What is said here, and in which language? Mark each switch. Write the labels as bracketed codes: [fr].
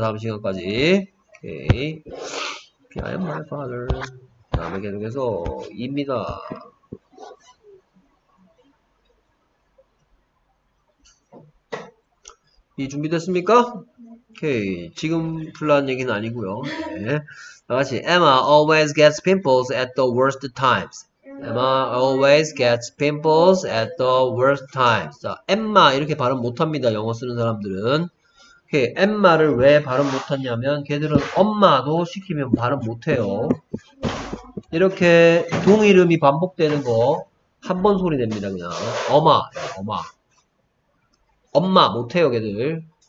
[ko] 다음 시간까지. [en] Okay. Okay, I am my father. [ko] 다음에 계속해서 입니다. 이 준비됐습니까? Okay. 지금 풀라는 얘기는 아니고요. 네. 다같이 [en] Emma always gets pimples at the worst times. Emma always gets pimples at the worst times. [ko] 자, Emma 이렇게 발음 못합니다. 영어 쓰는 사람들은. 오케이, 엠마를 왜 발음 못하냐면 걔들은 엄마도 시키면 발음 못해요. 이렇게 동이름이 반복되는 거 한 번 소리 냅니다. 그냥 엄마, 엄마, 엄마 못해요 걔들.